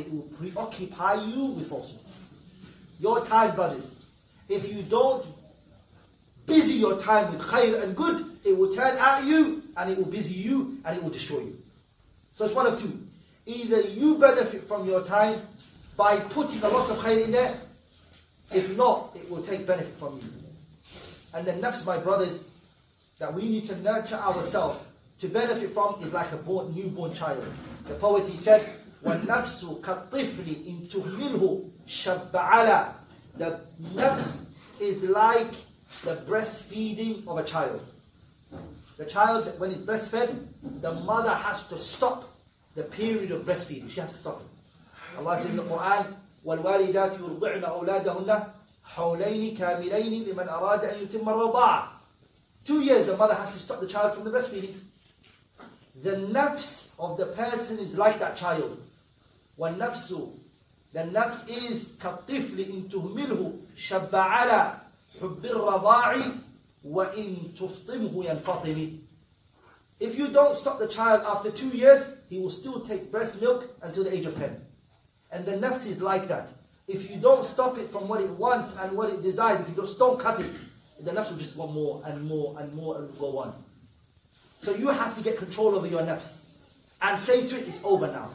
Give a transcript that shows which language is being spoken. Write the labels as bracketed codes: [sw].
[en] It will preoccupy you with falsehood. Your time, brothers, if you don't busy your time with khayr and good, it will turn at you, and it will busy you, and it will destroy you. So it's one of two. Either you benefit from your time by putting a lot of khayr in there. If not, it will take benefit from you. And then next, my brothers, that we need to nurture ourselves to benefit from is like a born, newborn child. The poet, he said, [ar] وَالنَّفْسُ كَالطِّفْلِ إِن تُهْمِلْهُ شَبَّ عَلَىٰ. [en] The nafs is like the breastfeeding of a child. The child, when it's breastfed, the mother has to stop the period of breastfeeding. She has to stop it. Allah says in the Quran, [ar] وَالْوَالِدَاتِ يُرْضِعْنَ أَوْلَادَهُنَّ حَوْلَيْنِ كَامِلَيْنِ لِمَنْ أَرَادَ أَن يُتِمَّ الرَّضَاعَةَ. [en] 2 years, the mother has to stop the child from the breastfeeding. The nafs of the person is like that child. [ar] والنفس, [en] the nafs is [ar] كالطفل إن تهمله شبع على حب الرضاع وإن تفطمه ينفطم. [en] If you don't stop the child after 2 years, he will still take breast milk until the age of 10. And the nafs is like that. If you don't stop it from what it wants and what it desires, if you just don't cut it, the nafs will just want more and more and more and go on. So you have to get control over your nafs and say to it, it's over now.